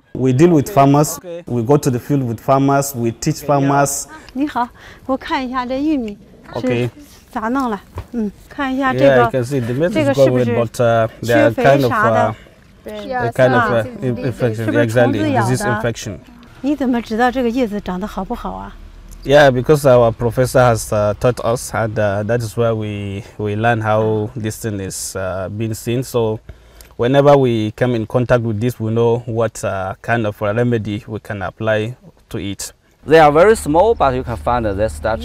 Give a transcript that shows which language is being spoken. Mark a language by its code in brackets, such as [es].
[en] We deal with farmers, we go to the field with farmers, we teach farmers. [zh] 你好,我看一下这玉米. [en] Okay. [zh] 咋弄了？嗯，看一下这个。Yeah, [en] you can see the maize is growing, but they are kind of infection, exactly, disease infection. [zh] 你怎么知道这个叶子长得好不好啊？ [en] Yeah, because our professor has taught us, and that is where we learn how this thing is being seen. So, whenever we come in contact with this, we know what kind of remedy we can apply to it. They are very small, but you can find the starch.